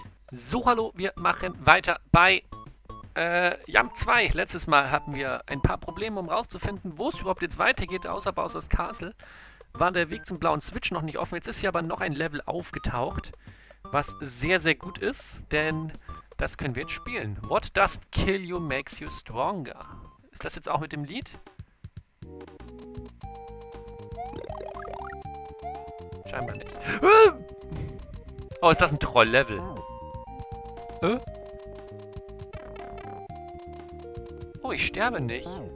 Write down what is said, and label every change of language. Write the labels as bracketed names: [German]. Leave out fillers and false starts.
[German] So, hallo, wir machen weiter bei Jump 2. Letztes Mal hatten wir ein paar Probleme, um rauszufinden, wo es überhaupt jetzt weitergeht, außer Bowser's Castle. War der Weg zum blauen Switch noch nicht offen. Jetzt ist hier aber noch ein Level aufgetaucht, was sehr, sehr gut ist, denn das können wir jetzt spielen. [English] What does kill you makes you stronger? [German] Ist das jetzt auch mit dem Lied? Scheinbar nicht. Oh, ist das ein Troll-Level? Oh, ich sterbe nicht.